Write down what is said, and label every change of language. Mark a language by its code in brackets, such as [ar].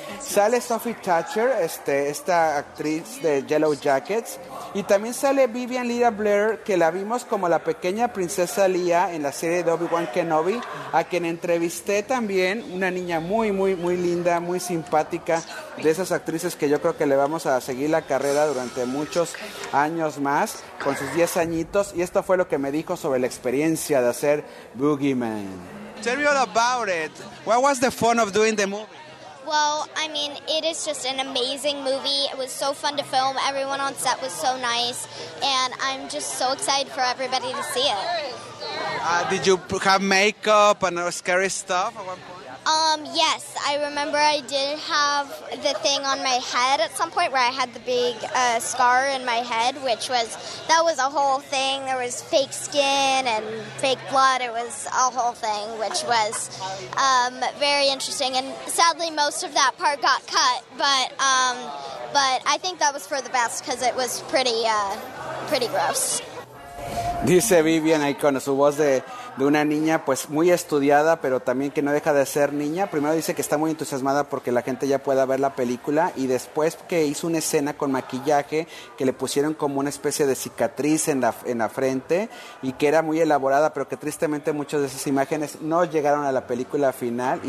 [es] Sale Sophie Thatcher, esta actriz de Yellow Jackets, y también sale Vivian Leigh Blair, que la vimos como la pequeña princesa Leia en la serie de Obi-Wan Kenobi, a quien entrevisté también, una niña muy, muy, muy linda, muy simpática, de esas actrices que yo creo que le vamos a seguir la carrera durante muchos años más, con sus 10 añitos, y esto fue lo que me dijo sobre la experiencia de hacer Boogeyman. [en] Tell me all about it. What was the fun of doing the movie? Well, I mean, it is just an amazing movie. It was so fun to film. Everyone on set was so nice. And I'm just so excited for everybody to see it. Did you have makeup and scary stuff at one point? Yes, I remember I did have the thing on my head at some point where I had the big scar in my head, which was, that was a whole thing. There was fake skin and fake blood. It was a whole thing, which was very interesting. And sadly, most of that part got cut, but I think that was for the best because it was pretty gross. [es] Dice Vivian ahí con su voz de una niña pues muy estudiada, pero también que no deja de ser niña. Primero dice que está muy entusiasmada porque la gente ya pueda ver la película, y después que hizo una escena con maquillaje que le pusieron como una especie de cicatriz en la frente y que era muy elaborada, pero que tristemente muchas de esas imágenes no llegaron a la película final.